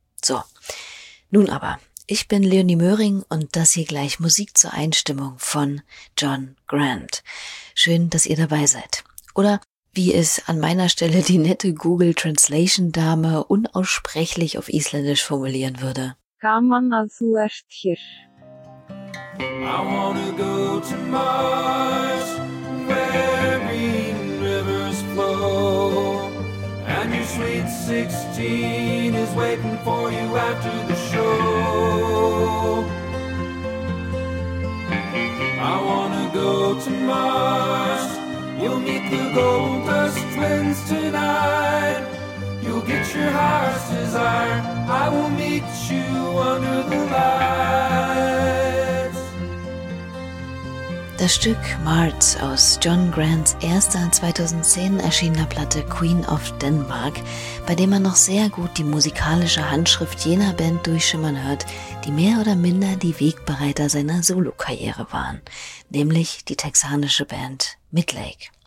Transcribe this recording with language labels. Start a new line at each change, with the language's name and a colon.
German: So, nun aber, ich bin Leonie Möhring und das hier gleich Musik zur Einstimmung von John Grant. Schön, dass ihr dabei seid. Oder wie es an meiner Stelle die nette Google Translation Dame unaussprechlich auf Isländisch formulieren würde. Kaman azulast hir.
English: I wanna go to Mars, where mean rivers flow, and your sweet 16 is waiting for you after the show. I wanna go to Mars. You'll meet the Gold Dust Twins tonight. You'll get your heart's desire. I will meet you under the lights.
German: Das Stück Mars aus John Grants erster 2010 erschienener Platte Queen of Denmark, bei dem man noch sehr gut die musikalische Handschrift jener Band durchschimmern hört, die mehr oder minder die Wegbereiter seiner Solokarriere waren, nämlich die texanische Band Midlake.